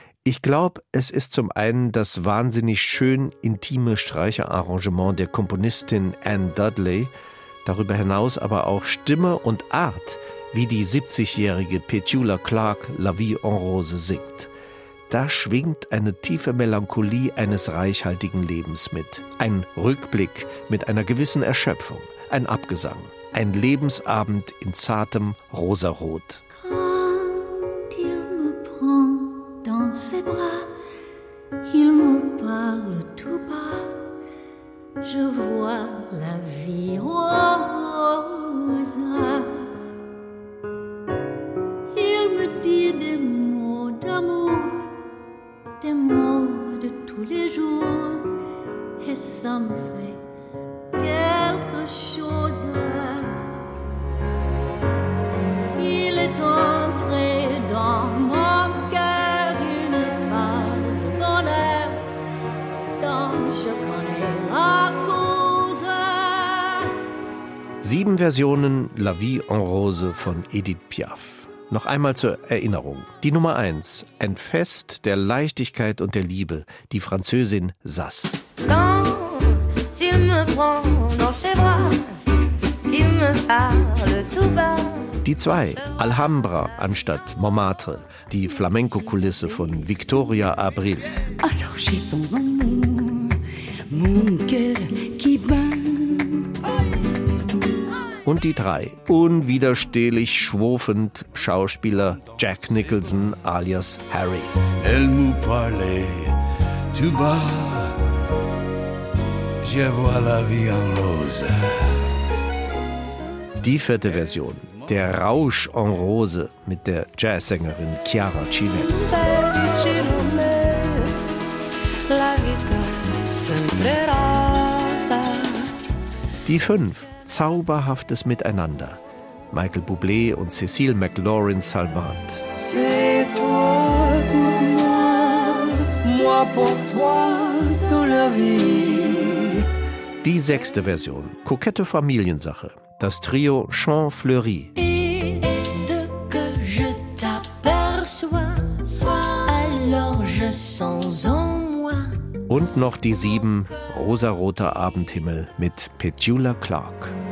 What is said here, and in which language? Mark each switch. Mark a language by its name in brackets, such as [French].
[German] Ich glaube, es ist zum einen das wahnsinnig schön intime Streicherarrangement der Komponistin Ann Dudley, darüber hinaus aber auch Stimme und Art, wie die 70-jährige Petula Clark La Vie en Rose singt. Da schwingt eine tiefe Melancholie eines reichhaltigen Lebens mit. Ein Rückblick mit einer gewissen Erschöpfung. Ein Abgesang. Ein Lebensabend in zartem Rosarot. [French] Quand il me prend dans ses bras, il me parle tout bas. Je vois la vie en rose. Il me dit des mots d'amour. Des mots de tous les jours, et ça me fait quelque chose. Il est entré dans mon cœur d'une part de bonheur, dont je connais la cause. [German] 7 Versionen La Vie en Rose von Edith Piaf. Noch einmal zur Erinnerung. Die Nummer 1, ein Fest der Leichtigkeit und der Liebe, die Französin Sass. [French] Quand il me prend dans ses bras, il me parle tout bas. [German] Die 2, Alhambra anstatt Montmartre, die Flamenco-Kulisse von Victoria Abril. [French] Alors j'ai sans amour, mon cœur qui bat. [German] Und die 3, unwiderstehlich schwofend Schauspieler Jack Nicholson alias Harry. [French] Elle me parlait tout bas, je vois la vie en rose. [German] Die 4. Version, der Rausch en Rose mit der Jazzsängerin Chiara Civet. Die 5. Zauberhaftes Miteinander. Michael Bublé und Cécile McLaurin-Salvant. [French] C'est toi pour moi, moi pour toi, toute la vie. [German] Die 6. Version. Kokette Familiensache. Das Trio Chant Fleury. [French] Et dès que je t'aperçois, alors je sens en moi. [German] Und noch die 7. Rosaroter Abendhimmel mit Petula Clark.